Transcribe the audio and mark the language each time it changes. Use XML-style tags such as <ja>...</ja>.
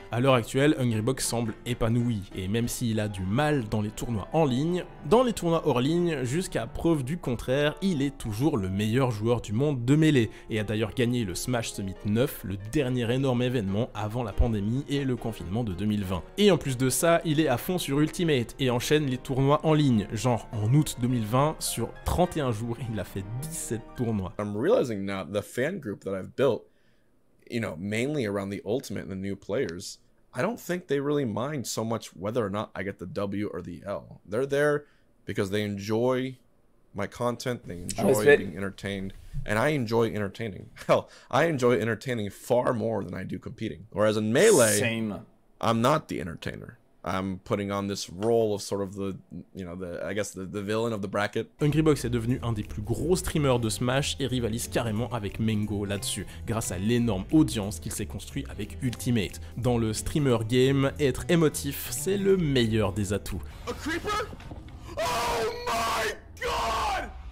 <fr>À l'heure actuelle, Hungrybox semble épanoui, et même s'il a du mal dans les tournois en ligne, dans les tournois hors ligne, jusqu'à preuve du contraire, il est toujours le meilleur joueur du monde de Melee, et a d'ailleurs gagné le Smash Summit 9, le dernier énorme événement avant la pandémie et le confinement de 2020. Et en plus de ça, il est à fond sur Ultimate, et enchaîne les tournois en ligne, genre en août 2020, sur 31 jours, il a fait 17 tournois.</fr> <en>I'm realizing now the fan group that I've built. You know, mainly around the ultimate and the new players, I don't think they really mind so much whether or not I get the W or the L. They're there because they enjoy my content, they enjoy being entertained, and I enjoy entertaining. Hell, I enjoy entertaining far more than I do competing. Whereas in Melee, same. I'm not the entertainer. I'm putting on this role of sort of the, you know, the, I guess the villain of the bracket.</en> <fr>Hungrybox est devenu un des plus gros streamers de Smash et rivalise carrément avec Mango là-dessus, grâce à l'énorme audience qu'il s'est construit avec Ultimate. Dans le streamer game, être émotif, c'est le meilleur des atouts.</fr> <en>A creeper? Oh my god!</en>